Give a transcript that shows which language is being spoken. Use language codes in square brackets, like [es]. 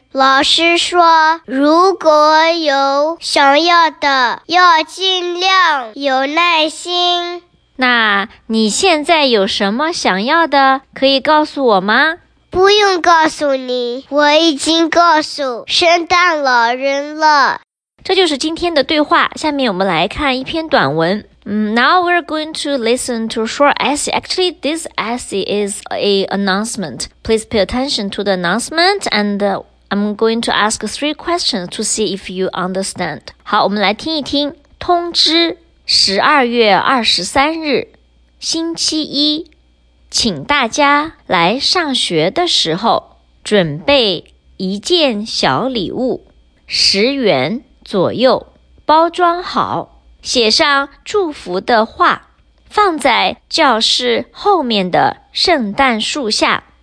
[zh] 老师说，如果有想要的，要尽量有耐心。那你现在有什么想要的，可以告诉我吗？不用告诉你，我已经告诉圣诞老人了。这就是今天的对话，下面我们来看一篇短文。 [en] Now we're going to listen to a short essay. Actually, this essay is an announcement. Please pay attention to the announcement, and I'm going to ask three questions to see if you understand. [zh] 好，我们来听一听。通知12月23日，星期一，请大家来上学的时候准备一件小礼物，10元左右，包装好，写上祝福的话，放在教室后面的圣诞树下。